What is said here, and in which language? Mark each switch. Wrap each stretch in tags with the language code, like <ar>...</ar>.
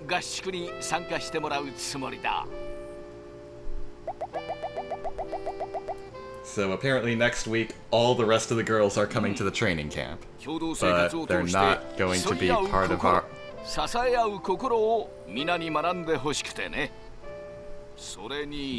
<ja>アイドルは3人だけではないからね。来週からは我がナムコプロが誇る13人のアイドル全員にこの合宿に参加してもらうつもりだ。</ja> <en>So apparently next week, all the rest of the girls are coming to the training camp. But they're not going to be part of our...</en> <ja>支え合う心を皆に学んでほしくてね。それに...</ja>